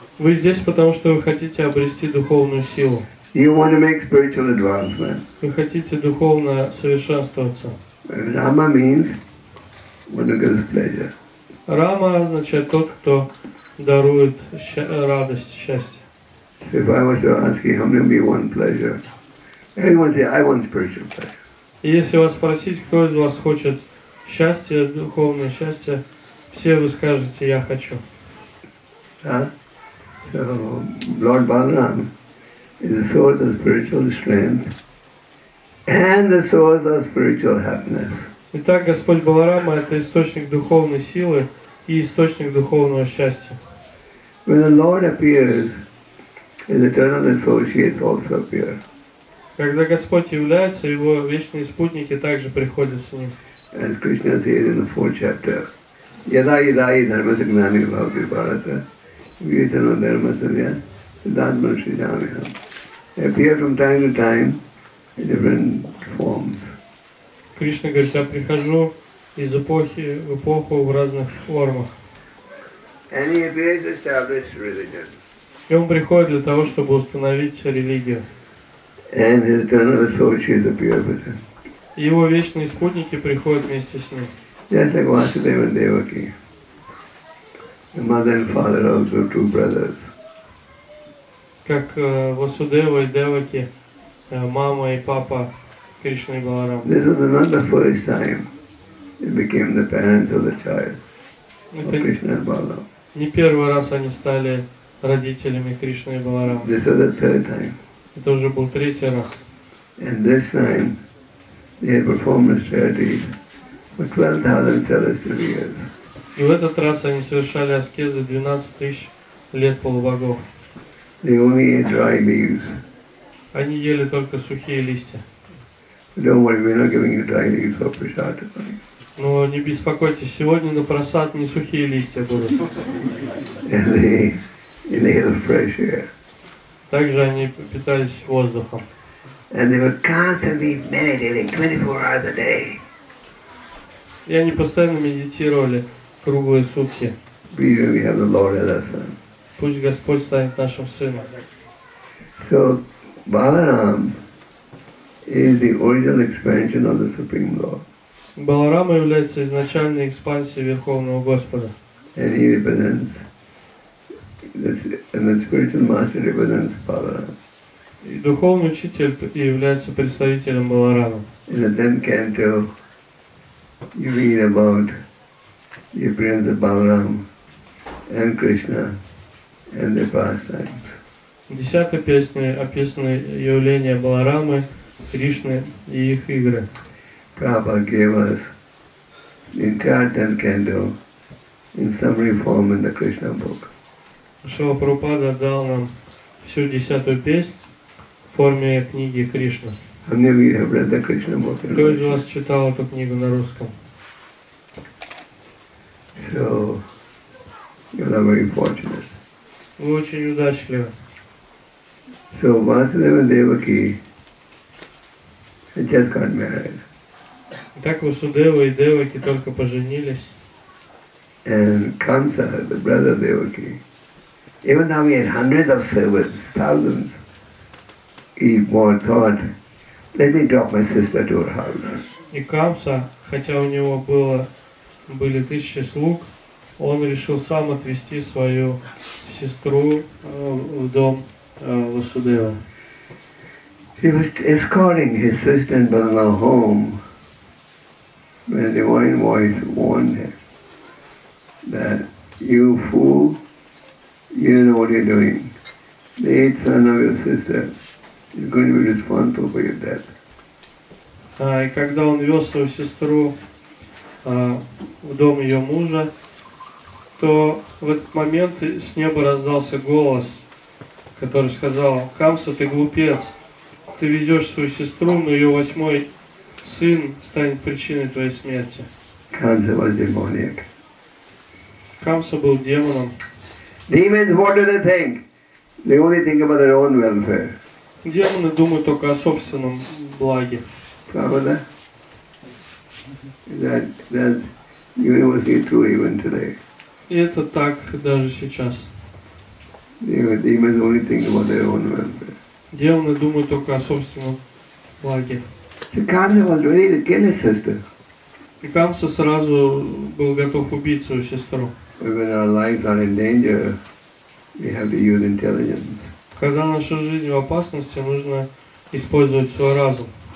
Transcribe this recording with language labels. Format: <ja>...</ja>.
<ru>Вы здесь, потому что вы хотите обрести духовную силу.</ru> <en>You want to make spiritual advancement.</en> <ru>Вы хотите духовно совершенствоваться.</ru> <en>Rama means one who gives pleasure.</en> <ru>Рама означает тот, кто дарует радость, счастье.</ru> <en>So if I was to ask you, how many of you want pleasure? Everyone say, I want spiritual pleasure.</en> <ru>Если вас спросить, кто из вас хочет счастье, духовное счастье, все вы скажете, я хочу.</ru> <en>So, Lord Balaram is the source of spiritual strength and the source of spiritual happiness.</en> <ru>Итак, Господь Баларама – это источник духовной силы и источник духовного счастья.</ru> <en>When the Lord appears, His eternal associates also appear.</en> <ru>Когда Господь является, Его вечные спутники также приходят с Ним.</ru> <en>As Krishna says in the fourth chapter,</en> <sa>Yada yadai dharma signami bhavati bharata vyasana dharma sadhya siddhatma shri jamiham.</sa> <en>They appear from time to time in different forms.</en> <ru>Krishna говорит, я прихожу из эпохи в эпоху в разных формах.</ru> <en>And he appears to establish religion.</en> <ru>И он приходит для того, чтобы установить религию.</ru> <en>And his eternal associates appear with him.</en> <ru>Его вечные спутники приходят вместе с ним.</ru> <en>Just like Vasudeva and Devaki, the mother and father of the two brothers.</en> <ru>Как Васудева и Деваки, мама и папа Кришны и Баларамы.</ru> <en>This was not the first time they became the parents of the child, of Krishna and Balaram.</en> <ru>Не первый раз они стали родителями Кришны и Баларамы.</ru> <en>This was the third time.</en> <ru>Это уже был третий раз.</ru> <en>And this time, they had performed austerity for 12,000 celestial years.</en> <ru>И в этот раз они совершали аскезы 12 тысяч лет полубогов.</ru> <en>They only ate dry leaves.</en> <ru>Они ели только сухие листья.</ru> <en>But don't worry, we're not giving you dry leaves for prasad.</en> <ru>Но не беспокойтесь, сегодня на просад не сухие листья будут.</ru> <en>And they inhaled fresh air.</en> <ru>Также они питались воздухом.</ru> <en>And they were constantly meditating 24 hours a day.</en> <ru>И они постоянно медитировали круглые сутки.</ru> <en>We have the Lord as our son.</en> <ru>Пусть Господь станет нашим сыном.</ru> <en>So, Balaram is the original expansion of the Supreme Lord.</en> <ru>Баларама является изначальной экспансией Верховного Господа.</ru> <en>And he represents and the spiritual master represents Balaram.</en> <ru>И духовный учитель является представителем Баларама.</ru> <en>In the 10th canto, you read about the appearance of Balaram and Krishna and their pastimes.</en> <ru>В 10-й песне описано явление Баларамы, Кришны и их игры.</ru> <en>Prabhupada gave us the entire 10th canto in summary form in the Krishna book.</en> <ru>Шрила Прабхупада дал нам всю 10-ю песнь в форме книги Кришна.</ru> <en>How many of you have read the Krishna book?</en> <ru>Кто из вас читал эту книгу на русском?</ru> <en>So, you are very fortunate.</en> <ru>Вы очень удачливы.</ru> <en>So, Vasudeva and Devaki had just got married.</en> <ru>Так Васудева и Деваки только поженились.</ru> <en>And Kamsa, the brother Devaki, even though he had hundreds of servants, thousands, he more thought, let me drop my sister to her house.</en> <ru>И Камса, хотя у него было, были тысячи слуг, он решил сам отвезти свою сестру в дом Васудева.</ru> <en>He was escorting his sister-in-law home when the divine voice warned him that, you fool, you know what you're doing. The eighth son of your sister is going to be responsible for your death.</en> <ru>И когда он вез свою сестру в дом ее мужа, то в этот момент с неба раздался голос, который сказал: «Камса, ты глупец, ты везешь свою сестру, но ее восьмой сын станет причиной твоей смерти». Камса был демоник. Камса был демоном.</ru> <en>Demons, what do they think? They only think about their own welfare.</en> <ru>Демоны думают только о собственном благе. Правда?</ru> <en>That's universally true even today.</en> <ru>И это так даже сейчас.</ru> <en>Demons only think about their own welfare.</en> <ru>Демоны думают только о собственном благе.</ru> <en>Камса was ready to kill his sister.</en> <ru>И Камса сразу был готов убить свою сестру.</ru> <en>When our lives are in danger, we have to use intelligence.</en> <ru>Когда наша жизнь в опасности, нужно использовать свой разум.</ru>